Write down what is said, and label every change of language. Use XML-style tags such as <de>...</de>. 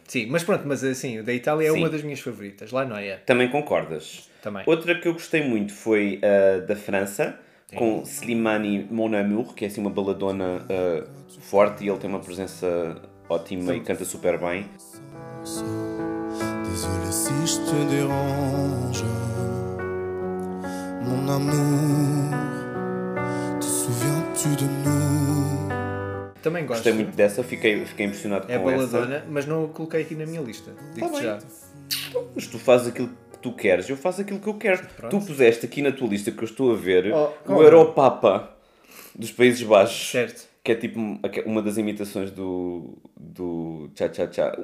<pt>Sim, mas pronto, mas assim, o da Itália é uma das minhas favoritas, lá não é? Também concordas? Também. Outra que eu gostei muito foi a da França, com Slimani Mon Amour, que é assim uma baladona forte, e ele tem uma presença ótima e canta super bem.</pt> <fr>Désolé si je te dérange, mon amour, te souviens-tu de nous?</fr> <pt>Também gosto. Gostei muito dessa, fiquei impressionado com essa. É baladona, mas não a coloquei aqui na minha lista. Digo-te já. Mas tu fazes aquilo que tu queres, eu faço aquilo que eu quero. Pronto. Tu puseste aqui na tua lista, que eu estou a ver, o Europapa dos Países Baixos. Certo. Que é tipo uma das imitações do Cha-Cha-Cha.</pt>